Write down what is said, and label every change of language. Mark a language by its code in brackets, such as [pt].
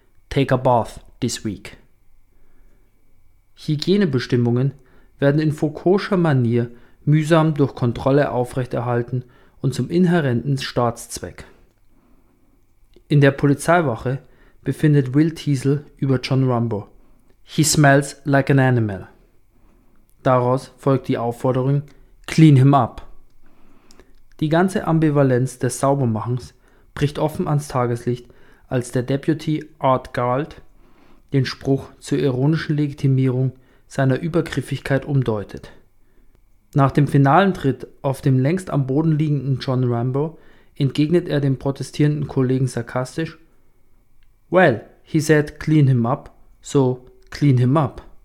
[en] Take a bath this week. [de] Hygienebestimmungen werden in Foucault'scher Manier mühsam durch Kontrolle aufrechterhalten und zum inhärenten Staatszweck. In der Polizeiwache befindet Will Teasel über John Rambo. [en] He smells like an animal. [de] Daraus folgt die Aufforderung, [en] clean him up. [de] Die ganze Ambivalenz des Saubermachens bricht offen ans Tageslicht, als der Deputy Art Gault den Spruch zur ironischen Legitimierung seiner Übergriffigkeit umdeutet. Nach dem finalen Tritt auf dem längst am Boden liegenden John Rambo entgegnet er dem protestierenden Kollegen sarkastisch: [en] Well, he said clean him up, so clean him up.